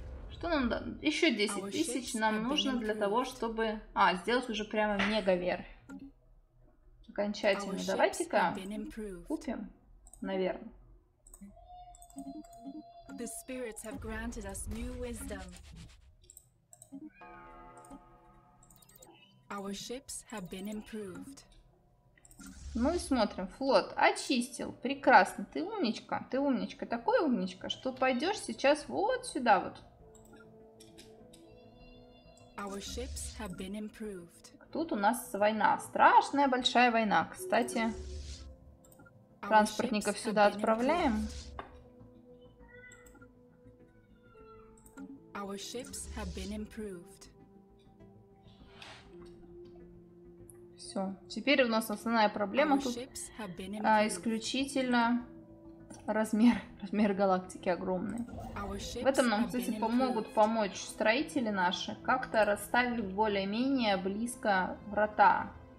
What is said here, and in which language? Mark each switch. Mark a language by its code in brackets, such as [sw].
[ru] Что нам дать? Еще 10 тысяч нам нужно для того, чтобы... А, сделать уже прямо мегаверфь. Окончательно. Давайте-ка купим, наверное. [en] The spirits have granted us new wisdom. Our ships have been improved. [ru] Ну и смотрим, флот очистил, прекрасно, ты умничка, такой умничка, что пойдешь сейчас вот сюда вот. [en] Our ships have been improved. [ru] Тут у нас война, страшная большая война, кстати, транспортников сюда отправляем. [en] Our ships have been improved. [ru] Все, теперь у нас основная проблема тут исключительно размер галактики огромный. В этом нам, кстати, помогут помочь строители наши, как-то расставив более-менее близко врата.